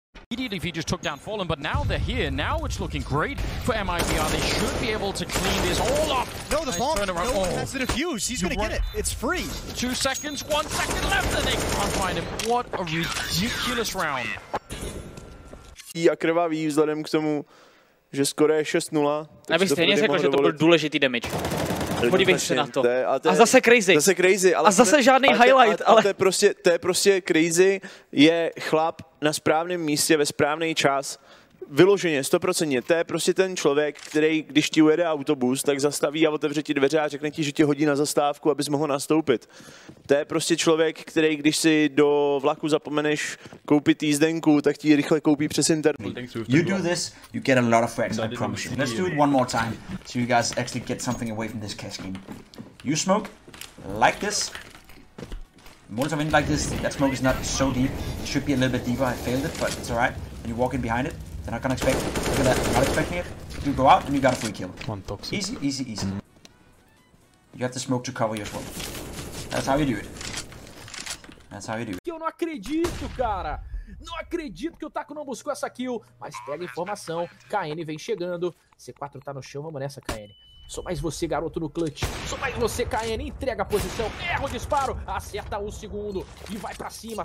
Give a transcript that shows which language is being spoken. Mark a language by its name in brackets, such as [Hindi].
[English] Immediately he just took down Fallen, but now they're here. Now it's looking great for MIBR. They should be able to clean this all up. No, the bomb, no one has the defuse. He's going to get it. It's free. 2 seconds, 1 second left, and they can't find him. What a ridiculous round. [Czech] A krvavý vzhledem k tomu, že skoro je 6-0. Já bych stejně řekl, že to byl důležitý damage. Podívejte se na to. To je, a zase crazy. Zase crazy. Ale a zase žádný highlight. Ale to je prostě crazy. Je chlap na správném místě ve správný čas. Vyloženě, 100%. To je prostě ten člověk, který, když ti ujede autobus, tak zastaví a otevře ti dveře a řekne ti, že ti hodí na zastávku, abys mohl nastoupit. To je prostě člověk, který, když si do vlaku zapomeneš koupit jízdenku, tak ti ji rychle koupí přes internet. [English] You do this, you get a lot of friends, I promise you. Let's do it one more time, so you guys actually get something away from this cash game. You smoke, like this. Most of it like this, that smoke is not so deep. It should be a little bit deeper, I failed it, but it's alright. And you walk in behind it. They're not gonna expect it. Look at that. Not expecting it. You go out and you got a free kill. One toxic. Easy, easy, easy. Mm. You have the smoke to cover your smoke. That's how you do it. That's how you do it. [Portuguese] Eu não acredito, cara! Não acredito que o Taco não buscou essa kill! Mas pega informação, KN vem chegando. C4 tá no chão, vamos nessa, KN. Sou mais você, garoto, no clutch. Sou mais você, KN. Entrega a posição. Erra o disparo. Acerta o segundo. E vai pra cima.